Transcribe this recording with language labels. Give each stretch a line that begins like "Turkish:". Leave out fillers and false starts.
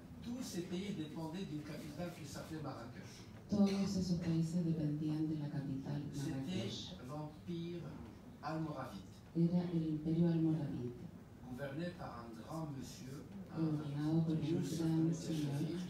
French: Tous ces pays dépendaient d'une capitale qui s'appelait Marrakech.
Spanish: Todos esos países dependían de la capital Marrakech.
French: C'était l'empire almoravide.
Spanish: Era el imperio almoravide.
French: Gouverné par un grand monsieur,
Spanish: gobernado por un gran señor,